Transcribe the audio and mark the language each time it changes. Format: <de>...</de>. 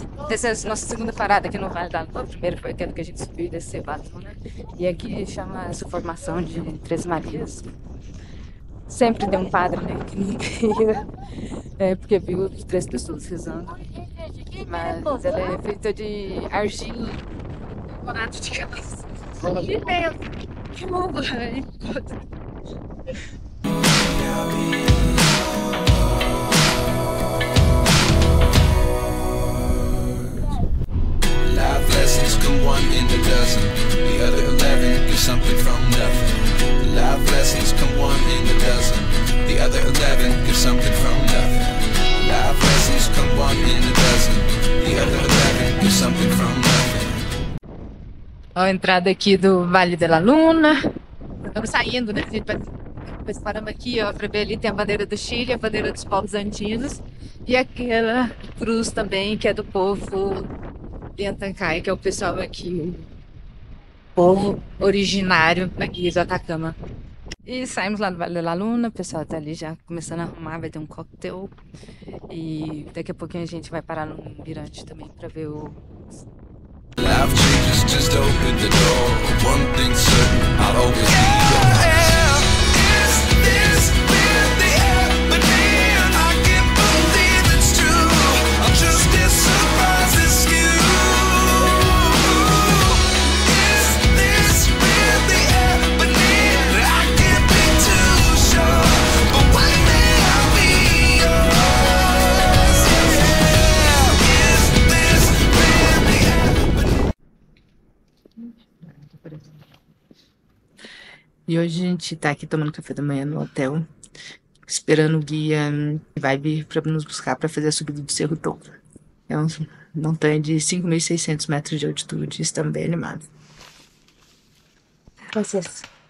<pt>Essa é a nossa segunda parada aqui no Vale da Lua. A primeira foi aquela que a gente subiu e desceu batom, né? E aqui chama essa formação de Três Marias. Sempre tem um padre, né? Que é porque viu três pessoas rezando. Mas ela é feita de argila, decorado de cabeça.</pt> <en>Que lessons come one in a dozen, the other 11 get something from nothing. Life lessons come one in a dozen, the other 11 get something from nothing. Life lessons come one in a dozen, the other 11 get something from nothing.</en> <pt>Ó, a entrada aqui do Vale da Luna. Estamos saindo, né? Depois paramos aqui, ó, pra ver ali, tem a bandeira do Chile, a bandeira dos povos andinos. E aquela cruz também, que é do povo Yantancai, que é o pessoal aqui, o povo originário aqui do Atacama. E saímos lá do Vale da Luna, o pessoal tá ali já começando a arrumar, vai ter um cocktail. E daqui a pouquinho a gente vai parar no mirante também pra ver o...</pt> <en>Life changes, just open the door. One thing certain, I'll always be your heart. Is this really happening? I can't believe it's true. I'm just as surprised as you. Is this really happening? I can't be too sure. But one day I'll be yours. Yeah. Is this really happening?</en> <pt>E hoje a gente tá aqui tomando café da manhã no hotel, esperando o guia que vai vir pra nos buscar pra fazer a subida do Cerro Tonga. É uma montanha de 5.600 metros de altitude, estamos bem animados. Vocês.</pt>